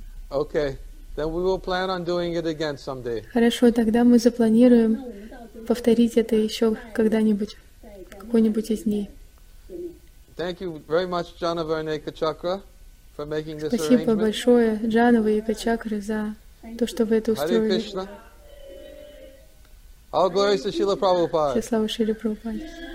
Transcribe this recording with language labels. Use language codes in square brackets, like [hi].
[en] Okay, then we will plan on doing it again someday. [ru] Хорошо, тогда мы запланируем повторить это еще когда-нибудь, какой-нибудь из дней. [en] Thank you very much, Janava and Eka Chakra, for making this arrangement. [ru] Спасибо большое, Джанава и Эка Чакра, за то, что вы это устроили. [sa] Hare Krishna. [en] All glories to Srila Prabhupada. [ru] Все славы Шриле Прабхупаде.